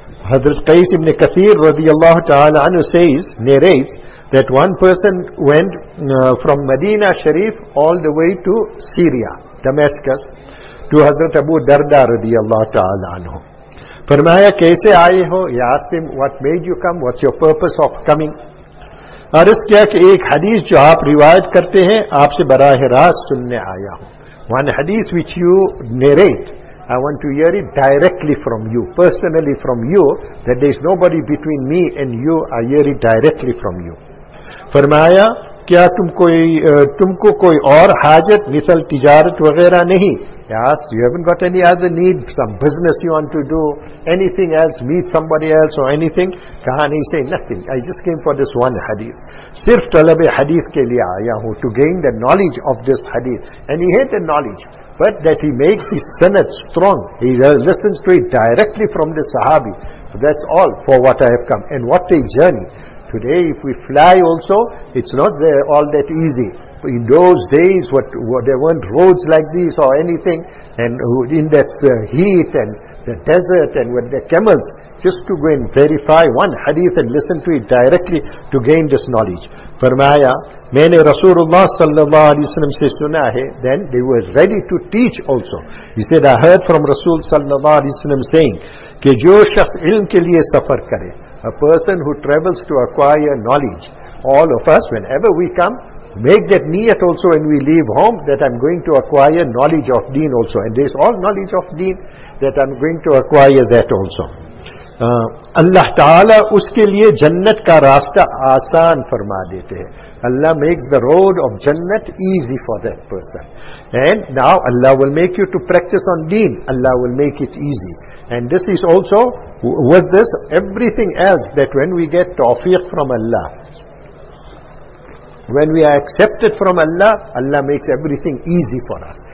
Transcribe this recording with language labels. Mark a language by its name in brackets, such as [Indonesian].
[English] Hazrat Qais ibn Kathir رضی اللہ تعالی عنہ says, narrates that one person went from Medina شریف all the way to Syria, Damascus, to Hazrat Abu Darda رضی اللہ تعالی عنہ. [Urdu] فرمایا, کیسے آئے ہو؟ [English] He asked him, what made you come? What's your purpose of coming? [Urdu] عرض کیا کہ ایک حدیث جو آپ روایت کرتے ہیں آپ سے براہ راست سننے آیا ہوں. [English] One حدیث which you narrate, I want to hear it directly from you, personally from you, that there is nobody between me and you, I hear it directly from you. [Urdu] فرمایا, کیا تم کو کوئی اور حاجت مثل تجارت وغیرہ نہیں؟ [English] Yes, you haven't got any other need, some business you want to do, anything else, meet somebody else or anything? Kahan, he say, nothing, I just came for this one hadith. [Urdu] Sirf talab-e hadith ke liye aaya hu, [English] to gain the knowledge of this hadith. And he had the knowledge, but that he makes his sanad strong, he listens to it directly from the sahabi. So that's all for what I have come. And what a journey. Today if we fly also, it's not there all that easy. In those days, what there weren't roads like this or anything, and in that heat and the desert and with the camels, just to go and verify one hadith and listen to it directly to gain this knowledge. [Urdu] فرمایا, میں نے رسول اللہ صلی اللہ علیہ وسلم سے سنا ہے, [English] then they were ready to teach also. He said, I heard from رسول صلی اللہ علیہ وسلم saying, [Urdu] کہ جو شخص علم کے لیے سفر کرے, [English] a person who travels to acquire knowledge, all of us, whenever we come, make that niyat also when we leave home, that I'm going to acquire knowledge of deen also. And there's all knowledge of deen, that I'm going to acquire that also. [Urdu] Allah Ta'ala اس کے لئے جنت کا راستہ آسان فرما دیتے ہیں. [English] Allah makes the road of jannat easy for that person. And now Allah will make you to practice on deen. Allah will make it easy. And this is also, with this, everything else, that when we get tawfiq from Allah, when we are accepted from Allah, Allah makes everything easy for us.